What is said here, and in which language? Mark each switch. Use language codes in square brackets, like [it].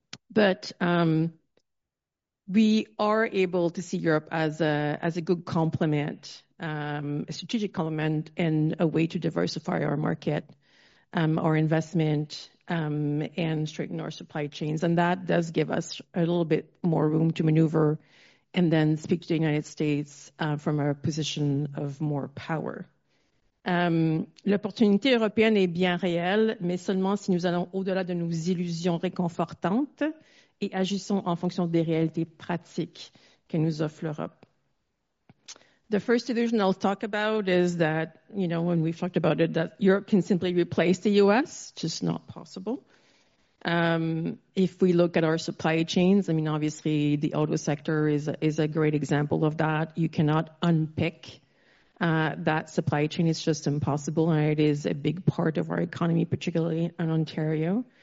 [en] But we are able to see Europe as a good complement, a strategic complement, and a way to diversify our market, our investment, and strengthen our supply chains. And that does give us a little bit more room to maneuver and then speak to the United States from a position of more power. [fr] L'opportunité européenne est bien réelle, mais seulement si nous allons au-delà de nos illusions réconfortantes et agissons en fonction des réalités pratiques que nous offre l'Europe. [en] The first illusion I'll talk about is that, you know, when we've talked about it, that Europe can simply replace the U.S., just not possible. If we look at our supply chains, I mean, obviously the auto sector is a great example of that. You cannot unpick that supply chain is just impossible, and it is a big part of our economy, particularly in Ontario.